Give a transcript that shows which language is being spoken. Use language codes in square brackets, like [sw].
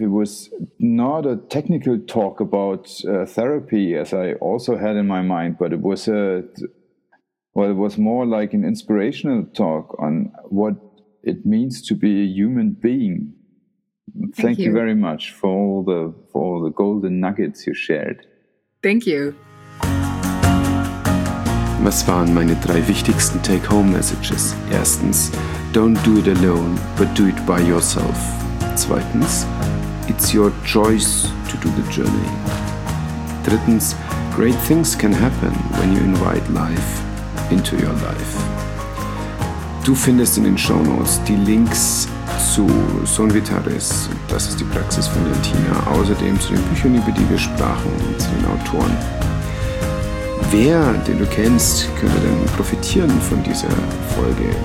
[en] It was not a technical talk about therapy, as I also had in my mind, but it was it was more like an inspirational talk on what it means to be a human being. Thank you very much for all the golden nuggets you shared. Thank you. [de] Was waren meine drei wichtigsten [en] take-home messages? [de] Erstens, [en] don't do it alone, but do it by yourself. [de] Zweitens, [en] it's your choice to do the journey. [de] Drittens, [en] great things can happen when you invite life into your life. [de] Du findest in den Shownotes die Links zu Son Vitaris, das ist die Praxis von Jantina, außerdem zu den Büchern, über die wir sprachen, und zu den Autoren. Wer, den du kennst, könnte denn profitieren von dieser Folge?